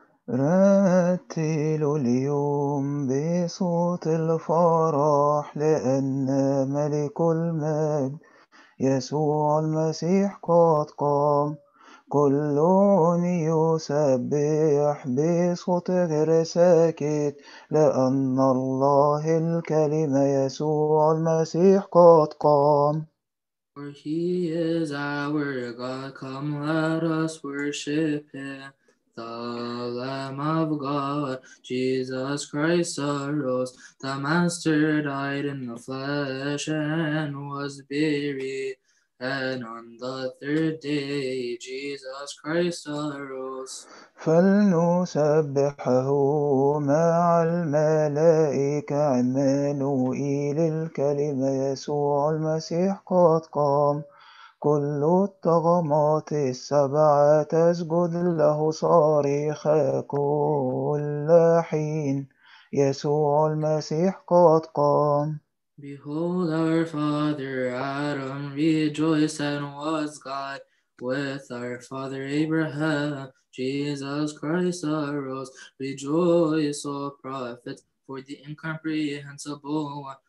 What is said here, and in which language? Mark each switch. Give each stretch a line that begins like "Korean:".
Arabic: رتل اليوم بصوت الفرح لأن ملك المجد يسوع المسيح قد قام. كل يسبح بصوت غير ساكت لأن الله الكلمة يسوع المسيح قد قام.
English: For he is our God, come let us worship him. The Lamb of God, Jesus Christ arose. The Master died in the flesh and was buried. And on the third day, Jesus Christ arose.
Arabic: فلنسبحه مع الملائكة عمانو إلى الكلمة يسوع المسيح قد قام. كل الطغمات السبع تسجد له صريخ كل حين يسوع المسيح قد قام.
English: Behold our father Adam rejoiced and was God. With our father Abraham, Jesus Christ arose. Rejoice, O prophets, for the incomprehensible one.